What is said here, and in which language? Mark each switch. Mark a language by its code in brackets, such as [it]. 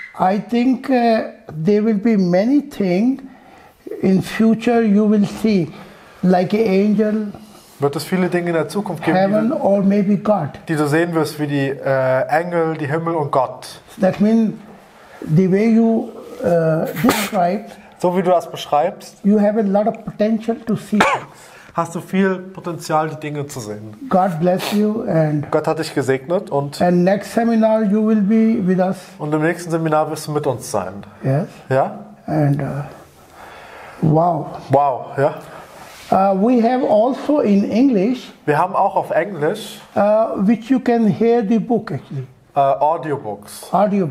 [en] I think there will be many things in future you will see, like an angel. [de] Wird es viele Dinge in der Zukunft geben, [en] heaven or maybe God. [de] Die du sehen wirst, wie die Engel, die Himmel und Gott. [en] That means the way you describe. [de] So wie du das beschreibst. [en] You have a lot of potential to see. [de] Hast du viel Potenzial, die Dinge zu sehen. [en] God bless you and [de] Gott hat dich gesegnet und [en] and next seminar you will be with us. [de] Und im nächsten Seminar wirst du mit uns sein. [en] Yes. [de] Ja? [en] And wow. [de] Wow, ja. [en] We have also in English. [de] Wir haben auch auf Englisch. [en] Which you can hear the book actually. Audiobooks. Audiobook.